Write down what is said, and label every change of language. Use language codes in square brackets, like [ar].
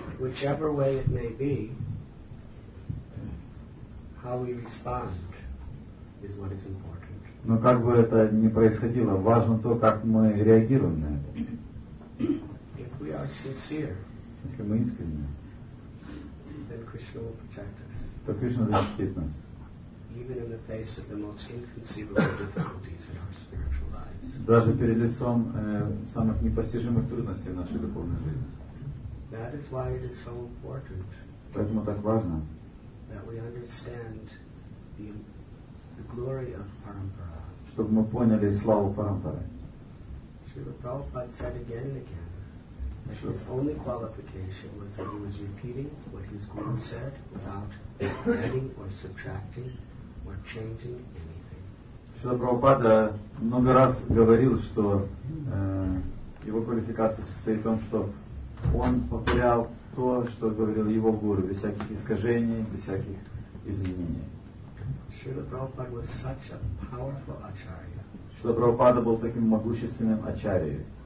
[en] Whichever way it may be, how we respond is what is important. [ru] Но как бы это ни происходило, важно то, как мы реагируем на это. [en] We are sincere. [ru] Если мы искренне, [en] then Krishna will protect us. [ru] То Кришна защитит нас. [en] Even in the face of the most inconceivable difficulties in our spiritual lives. [ru] Даже перед лицом самых непостижимых трудностей в нашей духовной жизни. [en] That is why it is so important. [ru] Поэтому так важно. [en] That we understand the glory of Parampara. [ru] Чтобы мы поняли славу Парампары. [en] Srila Prabhupada said again and again. His only qualification was that he was repeating what his guru said without adding or subtracting or changing anything. [ru] Шрила Прабхупада много раз говорил, что его квалификация состоит в том, что он повторял то, что говорил его гуру, без всяких искажений, без всяких изменений. [en] Шрила Прабхупада was such a powerful acharya. [ru] Шрила Прабхупада был таким могущественным ачарьей.